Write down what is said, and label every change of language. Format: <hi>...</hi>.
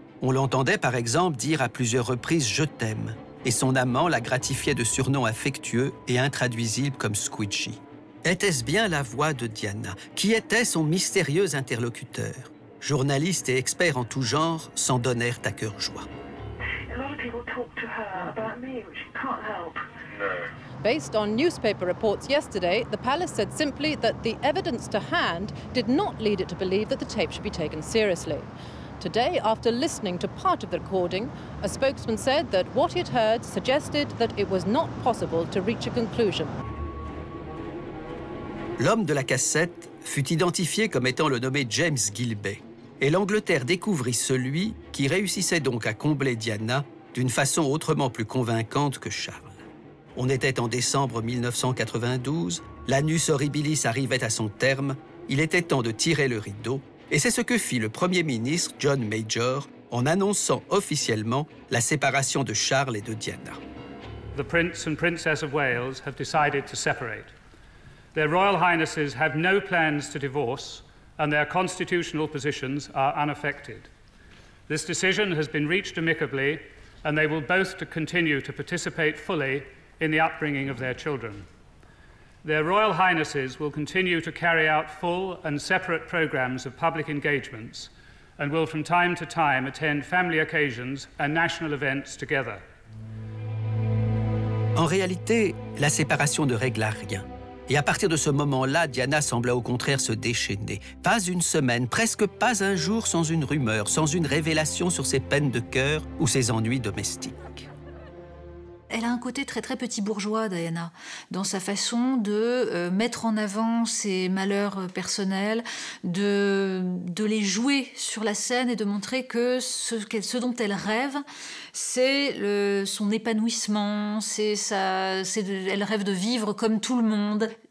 <fr>On l'entendait par exemple dire à plusieurs reprises « je t'aime ». Et son amant la gratifiait de surnoms affectueux et intraduisibles comme Squeegee. Était-ce bien la voix de Diana? Qui était son mystérieux interlocuteur? Journalistes et experts en tout genre s'en donnèrent à cœur joie.</fr> <en>Based on newspaper reports yesterday, the palace said simply that the evidence to hand did not lead it to believe that the tape should be taken seriously. Today, after listening to part of the recording, a spokesman said that what he had heard suggested that it was not possible to reach a conclusion.</en> <fr>L'homme de la cassette fut identifié comme étant le nommé James Gilbey, et l'Angleterre découvrit celui qui réussissait donc à combler Diana d'une façon autrement plus convaincante que Charles. On était en décembre 1992, l'anus horribilis arrivait à son terme, il était temps de tirer le rideau. Et c'est ce que fit le Premier ministre John Major en annonçant officiellement la séparation de Charles et de Diana.</fr> <en>The Prince and Princess of Wales have decided to separate. Their Royal Highnesses have no plans to divorce and their constitutional positions are unaffected. This decision has been reached amicably and they will both continue to participate fully in the upbringing of their children. Their Royal Highnesses will continue to carry out full and separate programs of public engagements and will from time to time attend family occasions and national events together.</en> <fr>En réalité, la séparation ne régla rien. Et à partir de ce moment-là, Diana sembla au contraire se déchaîner. Pas une semaine, presque pas un jour sans une rumeur, sans une révélation sur ses peines de cœur ou ses ennuis domestiques. Elle a un côté très très petit bourgeois, Diana, dans sa façon de mettre en avant ses malheurs personnels, de les jouer sur la scène et de montrer que ce dont elle rêve, c'est son épanouissement, elle rêve de vivre comme tout le monde.</fr>